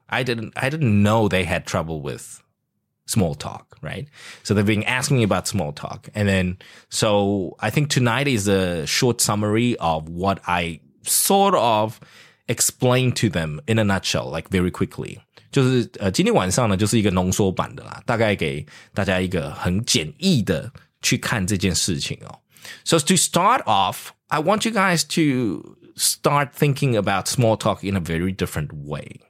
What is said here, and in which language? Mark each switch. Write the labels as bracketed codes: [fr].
[en] I didn't know they had trouble with small talk, right? So they've been asking me about small talk, and then so I think tonight is a short summary of what I sort of explained to them in a nutshell, like very quickly. [zh] 就是今天晚上呢就是一个浓缩版的啦，大概给大家一个很简易的去看这件事情哦。 [en] So to start off, I want you guys to start thinking about small talk in a very different way.